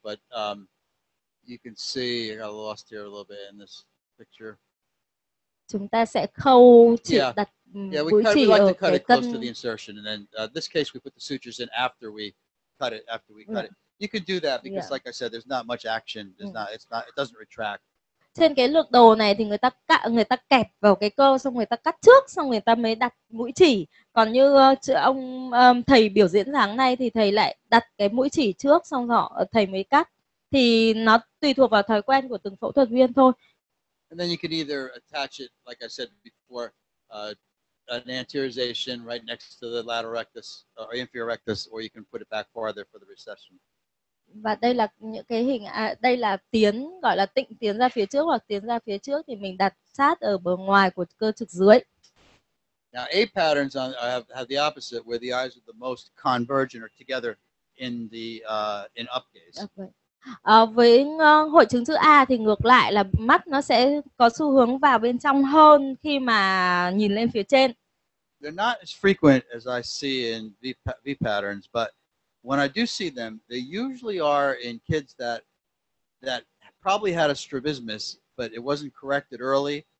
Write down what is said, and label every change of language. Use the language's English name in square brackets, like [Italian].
[English] But you can see, I got lost here a little bit in this picture. [Vietnamese] Chúng ta sẽ khâu chỉ đặt mũi chỉ ở cái cân. [English] We like to cut it close to the insertion. And then this case, we put the sutures in after we cut it. You could do that because, like I said, there's not much action. It doesn't retract. [Vietnamese] Trên cái lược đồ này thì người ta kẹp vào cái cơ, xong người ta cắt trước, xong người ta mới đặt mũi chỉ. Còn như ông thầy biểu diễn sáng nay thì thầy lại đặt cái mũi chỉ trước, xong họ thầy mới cắt. Thì nó tùy thuộc vào thói quen của từng phẫu thuật viên thôi. [English] And then you can either attach it, like I said before, an anteriorization right next to the lateral rectus or inferior rectus, or you can put it back farther for the recession. [Vietnamese] Và đây là những cái hình đây là tiến gọi là tịnh tiến ra phía trước hoặc tiến ra phía trước thì mình đặt sát ở bờ ngoài của cơ trực dưới. [English] Now A patterns on, have the opposite where the eyes are the most convergent or together in the in up gaze. [Vietnamese] Với hội chứng chữ A thì ngược lại là mắt nó sẽ có xu hướng vào bên trong hơn khi mà nhìn lên phía trên. [English] They're not as frequent as I see in V patterns, but when I do see them, they usually are in kids that probably had a strabismus, but it wasn't corrected early.